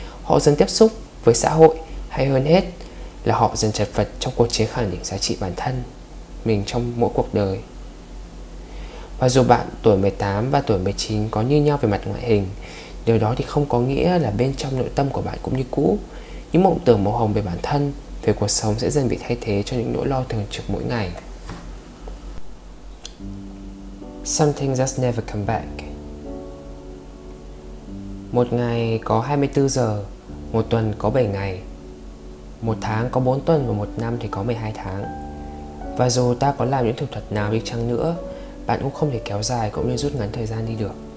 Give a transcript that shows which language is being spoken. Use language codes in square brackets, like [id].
[vi] Họ dần tiếp xúc với xã hội, hay hơn hết là họ dần chật vật trong cuộc chiến khẳng định giá trị bản thân mình trong mỗi cuộc đời. Và dù bạn tuổi 18 và tuổi 19 có như nhau về mặt ngoại hình, điều đó thì không có nghĩa là bên trong nội tâm của bạn cũng như cũ. Những mộng tưởng màu hồng về bản thân, về cuộc sống sẽ dần bị thay thế cho những nỗi lo thường trực mỗi ngày. [en] Something just never come back. [vi] Một ngày có 24 giờ, một tuần có 7 ngày, một tháng có 4 tuần và một năm thì có 12 tháng. Và dù ta có làm những thủ thuật nào đi chăng nữa, bạn cũng không thể kéo dài cũng như rút ngắn thời gian đi được.